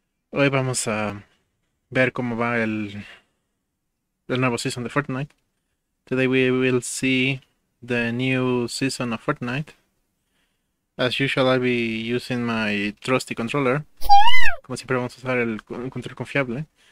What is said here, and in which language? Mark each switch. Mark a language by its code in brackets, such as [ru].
[es] Hoy vamos a ver cómo va el nuevo season de Fortnite. [en] Today we will see the new season of Fortnite. As usual, I'll be using my trusty controller. [es] Como siempre vamos a usar el control confiable.